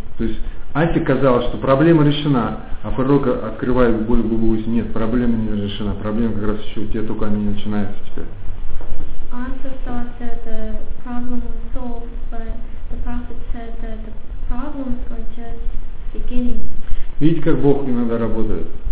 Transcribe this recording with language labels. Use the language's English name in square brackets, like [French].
[Russian] То есть Асе казалось, что проблема решена, а пророк открывает более глубокую истину. Нет, проблема не решена, проблема как раз еще у тебя только они начинаются теперь. [English] Asa thought that the problem was solved, but the prophet said that the problems are just beginning. [Russian] Видите, как Бог иногда работает.